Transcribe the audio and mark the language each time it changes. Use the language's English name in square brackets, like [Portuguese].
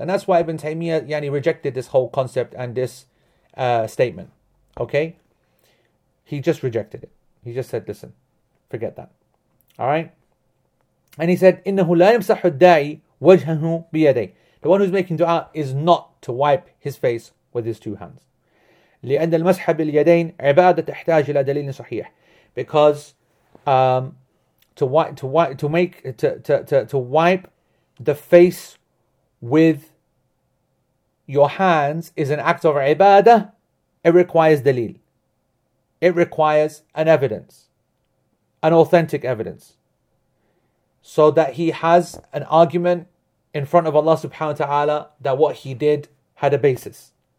[English] And that's why Ibn Taymiyyah rejected this whole concept and this statement. Okay? He just rejected it. He just said, listen, forget that. Alright? And he said, [Arabic] إِنَّهُ لَا يَمْسَحُ الدَّاعِي وَجْهَهُ بِيَدَيْهِ. [English] The one who's making dua is not to wipe his face with his two hands. [Arabic] لأن المسح باليدين عبادة تحتاج إلى دليل صحيح. [English] Because to wipe the face with your hands is an act of ibadah. It requires dalil. It requires an evidence, an authentic evidence, so that he has an argument in front of Allah subhanahu wa ta'ala that what he did had a basis.